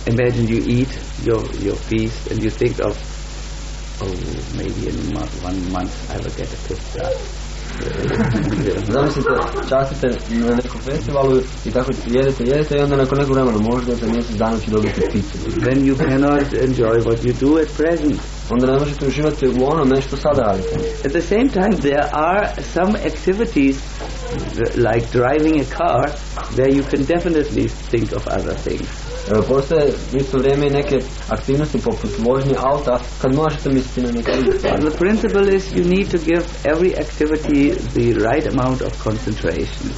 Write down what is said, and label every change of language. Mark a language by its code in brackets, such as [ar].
[en] Imagine you eat your feast and you think of, oh, maybe in one month I will get a pizza. [hr] Zamislite, častite na nekom festivalu i tako jedete i onda nakon nekog vremena možda za mjesec dana će dobiti pizzu. [en] Then you cannot enjoy what you do at present. [hr] Onda ne možete uživati u ono nešto sada radite. [en] At the same time there are some activities like driving a car where you can definitely think of other things. [hr] Postoje isto vrijeme i neke aktivnosti poput vožnje auta kad možete misliti na neke stvari. [en] The principle is you need to give every activity the right amount of concentration.